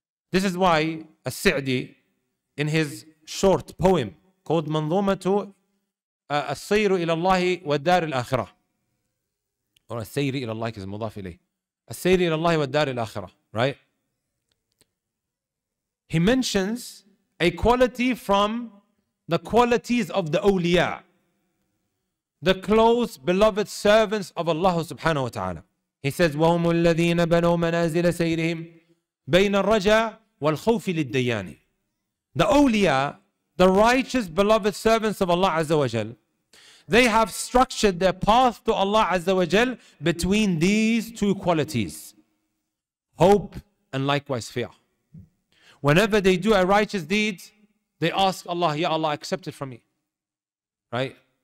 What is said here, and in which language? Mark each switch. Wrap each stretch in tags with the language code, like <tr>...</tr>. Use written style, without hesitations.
<en>This is why As-Sa'di, in his short poem called Manzumatu As-Sayru ila Allahi wa Dar al-Akhirah, or As-Sayri ila Allahi is mudaf ilayh, As-Sayri ila Allahi wa Dar al-Akhirah, right? He mentions a quality from the qualities of the awliya, the close beloved servants of Allah subhanahu wa ta'ala. He says,</en> <ar>وَهُمُ الَّذِينَ بَنَوْ مَنَازِلَ سَيْرِهِمْ بَيْنَ الرَّجَى وَالْخَوْفِ لِلْدَيَّانِ.</ar> <en>The awliya, the righteous beloved servants of Allah Azza wa Jal, they have structured their path to Allah Azza wa Jal between these two qualities, hope and likewise fear. Whenever they do a righteous deed, they ask Allah, Ya Allah, accept it from me. Right?</en>